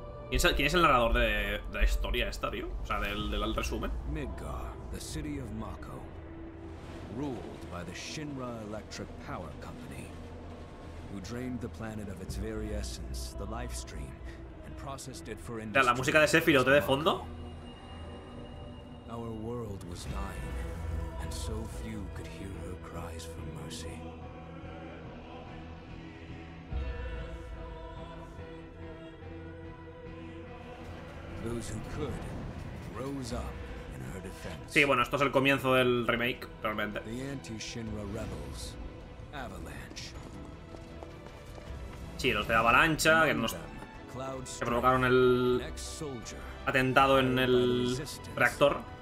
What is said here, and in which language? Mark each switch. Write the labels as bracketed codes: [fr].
[es] ¿Quién es el narrador de la historia esta, tío? O sea, del resumen. [en] Midgar, the city of Mako, ruled by the Shinra Electric Power Company, who drained the planet of its very essence, the life stream, and processed it for industry. [es] La música de Sephiroth de fondo. [en] Our world was dying, and so few could hear her cries for mercy. Those who could rose up in her defense. [es] Sí, bueno, esto es el comienzo del remake, realmente. [en] The anti-Shinra rebels, Avalanche. [es] Sí, los de Avalancha, que nos que provocaron el atentado en el reactor.